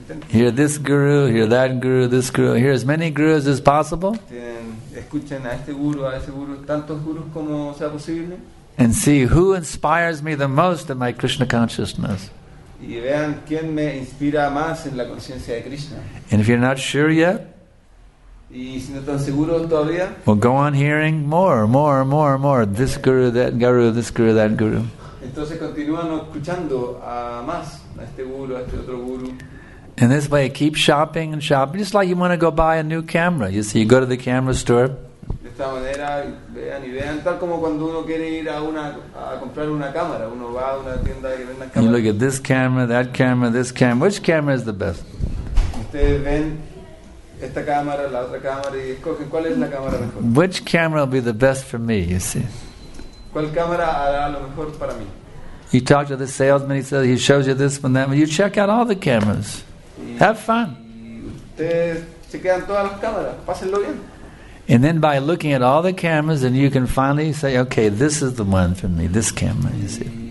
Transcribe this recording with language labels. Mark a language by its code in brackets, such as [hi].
[en] hear this guru, hear that guru, this guru. Hear as many gurus as possible. [es] Escuchen a este guru, a ese guru, tantos gurus como sea posible. [en] And see who inspires me the most in my Krishna consciousness. [es] Y vean quién me inspira más en la conciencia de Krishna. [en] And if you're not sure yet, [es] y si no están seguros todavía, [en] well, go on hearing more. This guru, that guru, this guru, that guru. [es] Entonces continúan escuchando a más. [en] In this way, keep shopping and shopping. Just like you want to go buy a new camera. You see, you go to the camera store. [es] De esta manera, vean y vean, tal como cuando uno quiere ir a comprar una cámara. Uno va a una tienda y vende una cámara. [en] You look at this camera, that camera, this camera. Which camera is the best? [es] Ustedes ven esta cámara, la otra cámara, y escogen cuál es la cámara mejor. [en] Which camera will be the best for me, you see? [es] ¿Cuál cámara hará lo mejor para mí? [en] You talk to the salesman, he says, he shows you this one, that one. You check out all the cameras. Have fun. And then by looking at all the cameras, then you can finally say, okay, this is the one for me, this camera, you see.